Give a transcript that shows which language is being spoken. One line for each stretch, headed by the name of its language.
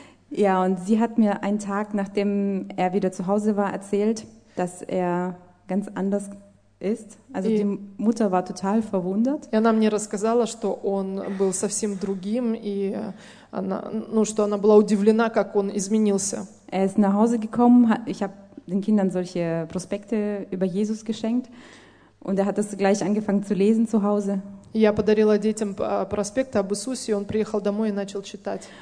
German: Ja, und sie hat mir einen Tag, nachdem er wieder zu Hause war, erzählt, dass er ganz anders ist. Also die Mutter war total verwundert.
Russian: И она мне рассказала, что он был совсем другим, и она, ну, что она была удивлена, как он изменился.
German: Er ist nach Hause gekommen, ich habe den Kindern solche Prospekte über Jesus geschenkt, und er hat das gleich angefangen zu lesen zu Hause.
Russian: Я подарила детям проспект об Иисусе, он приехал домой и начал читать.